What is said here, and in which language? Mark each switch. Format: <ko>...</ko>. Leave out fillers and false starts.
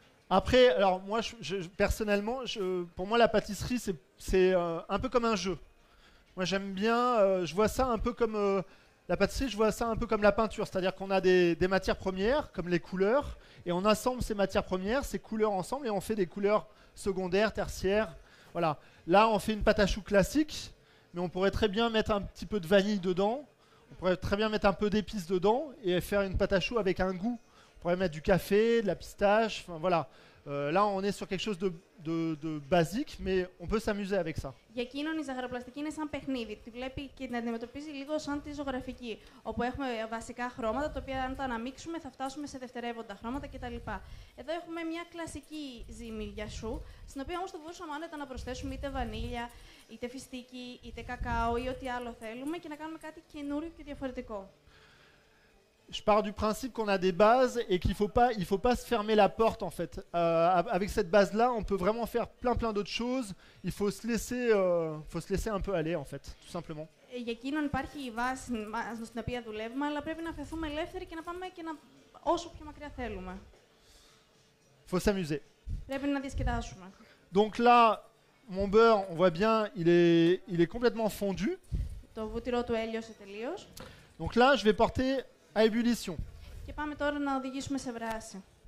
<fr>Après, alors moi, personnellement, pour moi la pâtisserie c'est un peu comme un jeu. Moi j'aime bien, je vois ça un peu comme la pâtisserie, je vois ça un peu comme la peinture, c'est-à-dire qu'on a des matières premières, comme les couleurs, et on assemble ces matières premières, ces couleurs ensemble, et on fait des couleurs secondaires, tertiaires. Voilà. Là, on fait une pâte à choux classique, mais on pourrait très bien mettre un petit peu de vanille dedans, on pourrait très bien mettre un peu d'épices dedans, et faire une pâte à choux avec un goût. On pourrait mettre du café, de la pistache, enfin voilà. Là, on est sur quelque chose de basique, mais on peut s'amuser avec ça.</fr> <el>Για εκείνον η ζαχαροπλαστική είναι σαν παιχνίδι. Τη βλέπει και την αντιμετωπίζει λίγο σαν τη ζωγραφική. Όπου έχουμε βασικά χρώματα, τα οποία αν τα αναμίξουμε θα φτάσουμε σε δευτερεύοντα χρώματα κτλ. Εδώ έχουμε μια κλασική ζυμίδια σου, στην οποία όμως θα μπορούσαμε άνετα να προσθέσουμε είτε βανίλια, είτε φιστίκι, είτε κακάο ή ό,τι άλλο θέλουμε και να κάνουμε κάτι καινούριο και διαφορετικό.</el> <fr>Je pars du principe qu'on a des bases et qu'il ne faut pas se fermer la porte en fait. Avec cette base-là, on peut vraiment faire plein d'autres choses. Il faut se laisser un peu aller en fait, tout simplement.</fr> <el>Για εκείνον υπάρχει η βάση στην οποία δουλεύουμε, αλλά πρέπει να αφαιθούμε ελεύθεροι και να πάμε και να όσο πιο μακριά θέλουμε.</el> <fr>Il faut s'amuser.</fr> <el>Πρέπει να διασκεδάσουμε.</el> <fr>Donc là, mon beurre, on voit bien, il est complètement fondu.</fr> <el>Το βούτυρο του έλειωσε τελείως.</el> <fr>Donc là, je vais porter à ébullition.</fr> <el>Και πάμε τώρα να οδηγήσουμε σε βράση.</el>